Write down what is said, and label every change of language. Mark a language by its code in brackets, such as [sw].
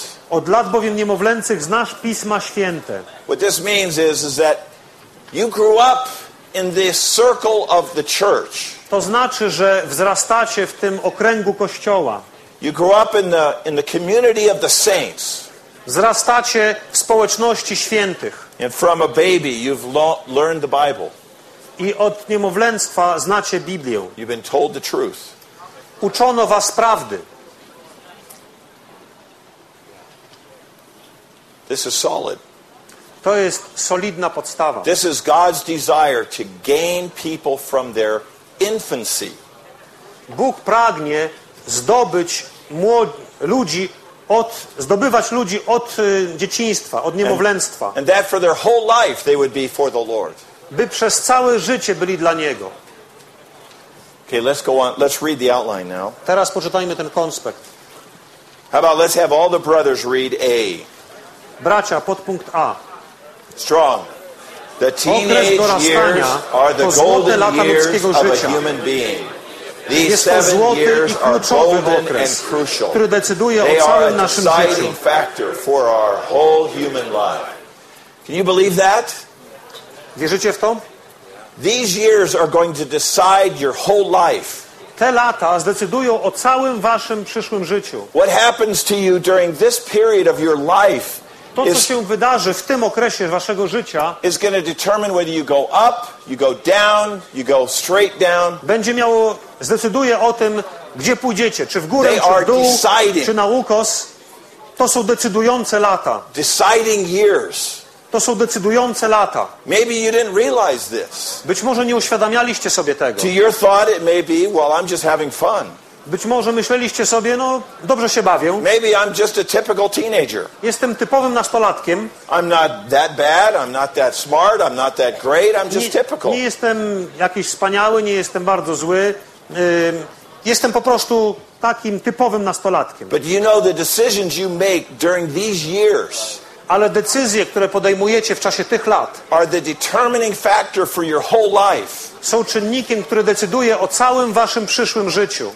[pl] Od lat bowiem niemowlęcych znasz Pisma Święte. [en] What this means is that you grew up in the circle of the church. [pl] To znaczy, że wzrastacie w tym okręgu Kościoła. [en] You grew up in the community of the saints. [pl] Wzrastacie w społeczności świętych. [en] And from a baby, you've learned the Bible. [pl] I od niemowlęctwa znacie Biblię. [en] You've been told the truth. [pl] Uczono was prawdy. [en] This is solid. [pl] To jest solidna podstawa. [en] This is God's desire to gain people from their infancy. [pl] Bóg pragnie zdobyć ludzi od zdobywać ludzi od dzieciństwa, od niemowlęctwa. [en] And that for their whole life they would be for the Lord. [pl] By przez całe życie byli dla niego. [en] Okay, let's go on. Let's read the outline now. [pl] Teraz poczytajmy ten konspekt. [en] How about let's have all the brothers read A. [pl] Bracia, podpunkt A. [en] Strong. The teenage years are the golden years of a human being. These seven years are golden and crucial. They are a deciding factor for our whole human life. Can you believe that? [pl] Wierzycie w to? [en] These years are going to decide your whole life. [pl] Te lata zdecydują o całym waszym przyszłym życiu. [en] What happens to you during this period of your life? [pl] To, co się wydarzy w tym okresie waszego życia, [en] is going to determine whether you go up, you go down, you go straight down. [pl] Będzie miało zdecyduje o tym, gdzie pójdziecie, czy w górę, czy w dół, [en] deciding. [pl] Czy na ukos. To są decydujące lata. [en] Deciding years. [pl] To są decydujące lata. [en] Maybe you didn't realize this. [pl] Być może nie uświadamialiście sobie tego. [en] To your thought it may be, well, I'm just having fun. [pl] Być może myśleliście sobie, no dobrze się bawię. [en] Maybe I'm just a typical teenager. [pl] Jestem typowym nastolatkiem. [en] I'm not that bad, I'm not that smart, I'm not that great, I'm just typical. [pl] Nie jestem jakiś wspaniały, nie jestem bardzo zły. Jestem po prostu takim typowym nastolatkiem. [en] But you know the decisions you make during these years. [pl] Ale decyzje, które podejmujecie w czasie tych lat, [en] are the determining factor for your whole life. [pl] Są czynnikiem, który decyduje o całym waszym przyszłym życiu.